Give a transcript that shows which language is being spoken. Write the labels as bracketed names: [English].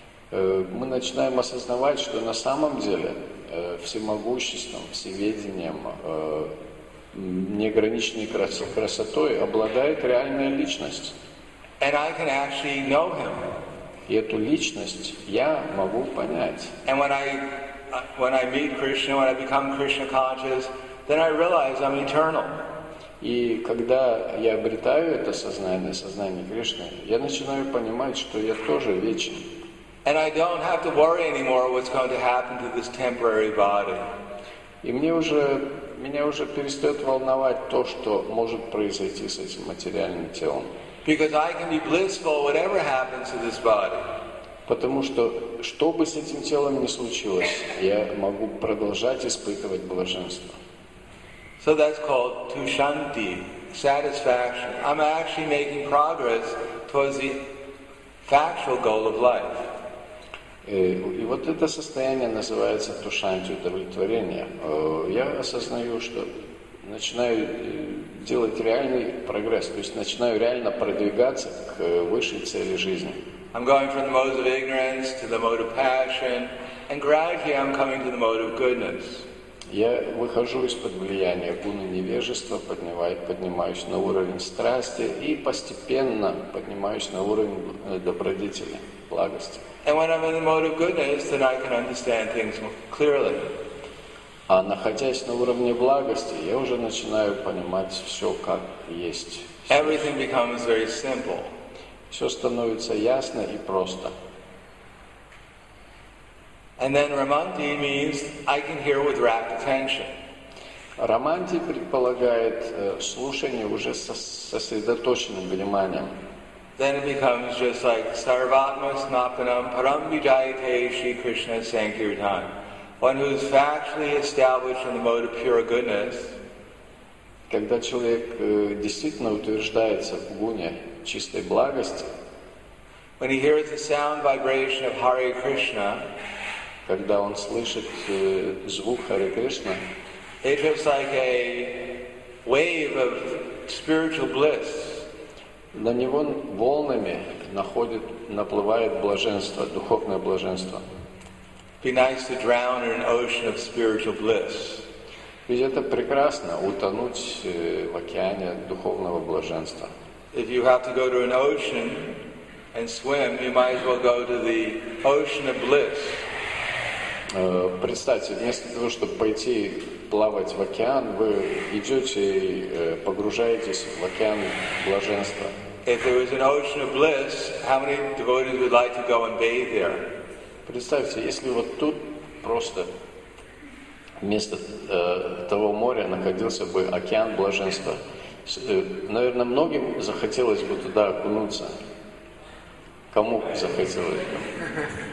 [Russian] Мы начинаем осознавать, что на самом деле всемогуществом, всеведением, неограниченной красотой обладает реальная личность. [English] And I can actually know him. [Russian] И эту личность я могу понять. [English] And when I meet Krishna, when I become Krishna conscious, then I realize I'm eternal. [Russian] И когда я обретаю это сознание, сознание Кришны, я начинаю понимать, что я тоже вечен. [English] And I don't have to worry anymore what's going to happen to this temporary body. [Russian] И меня уже перестает волновать то, что может произойти с этим материальным телом. [English] Because I can be blissful whatever happens to this body. [Russian] Потому что, что бы с этим телом ни случилось, я могу продолжать испытывать блаженство. [English] So that's called tushanti, satisfaction. I'm actually making progress towards the factual goal of life. [Russian] И вот это состояние называется тушанти, удовлетворение. Я осознаю, что начинаю делать реальный прогресс, то есть начинаю реально продвигаться к высшей цели жизни. [English] I'm going from the mode of ignorance to the mode of passion, and gradually I'm coming to the mode of goodness. [Russian] Я выхожу из-под влияния гуны невежества, поднимаюсь на уровень страсти и постепенно поднимаюсь на уровень добродетели, благости. [English] And when I'm in the mode of goodness, then I can understand things more clearly. [Russian] А находясь на уровне благости, я уже начинаю понимать все как есть. [English] Everything becomes very simple. [Russian] Все становится ясно и просто. [English] And then Ramanti means I can hear with rapt attention. [Russian] Раманти предполагает слушание уже со сосредоточенным вниманием. [English] Then it becomes just like [Sanskrit] Sarvatma Snapanam Param Vijayate Shri Krishna Sankirtan. [English] One who is factually established in the mode of pure goodness. [Russian] Когда человек действительно утверждается в гуне чистой благости. [English] When he hears the sound vibration of Hare Krishna. [Russian] Когда он слышит звук Харе Кришна. [English] It feels like a wave of spiritual bliss. [Russian] На него волнами наплывает блаженство, духовное блаженство. [English] Be nice to drown in an ocean of spiritual bliss. [Russian] Ведь это прекрасно, утонуть в океане духовного блаженства. [English] If you have to go to an ocean and swim, you might as well go to the ocean of bliss. [Russian] Представьте, вместо того, чтобы пойти плавать в океан, вы идете и погружаетесь в океан блаженства. [English] If there was an ocean of bliss, how many devotees would like to go and bathe there? [Russian] Представьте, если вот тут просто вместо того моря находился бы океан блаженства, наверное, многим захотелось бы туда окунуться. Кому захотелось бы?